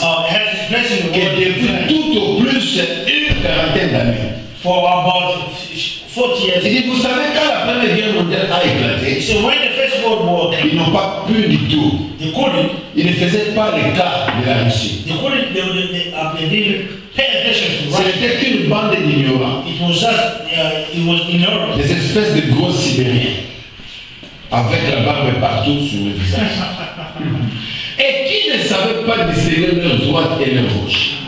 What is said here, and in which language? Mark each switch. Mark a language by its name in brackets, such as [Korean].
[English] Has a place in the world. [French] Que depuis tout au plus une quarantaine d'années. [English] For about 40 years. [French] Il dit, vous savez quand la première guerre mondiale a éclaté, [English] so when the first world war came, [French] ils n'ont pas pu du tout. [English] They couldn't, [French] ils ne faisaient pas les cas de la Russie. [English] They couldn't, they didn't pay attention to Russia. [French] C'était qu'une bande d'ignorants. [English] It was just, it was ignorant. [French] Des espèces de gros sibériens avec la barbe partout sur le visage. Et qui ne savait pas distinguer leur droite et leur gauche.